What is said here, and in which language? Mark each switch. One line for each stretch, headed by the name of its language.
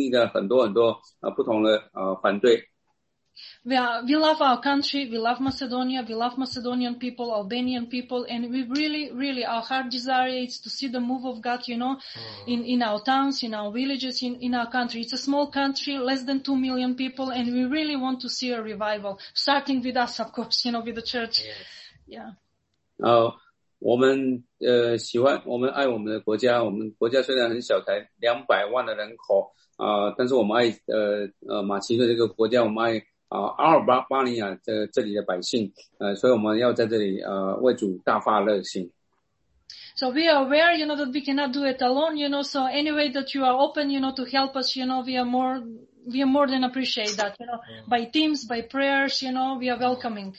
Chinese: 七年之后，我们仍然还在这里。我们没有，我们一点也不打算离开。虽然，这七年经历了很多很多不同的反对。
English: We love our country. We love Macedonia. We love Macedonian people, Albanian people, and we really, really, our heart desire is to see the move of God. You know, in our towns, in our villages, in our country. It's a small country, less than 2 million people, and we really want to see a revival, starting with us, of course. You know, with the church. Yes. Yeah.
Chinese: 我们喜欢我们爱我们的国家，我们国家虽然很小，才200万的人口，但是我们爱马其顿这个国家，我们爱阿尔巴尼亚这里的百姓，所以我们要在这里为主大发热心。
English: So we are aware, you know, that we cannot do it alone, you know. So anyway, that you are open, you know, to help us, you know, we are more than appreciate that, you know, by teams, by prayers, you know, we are welcoming.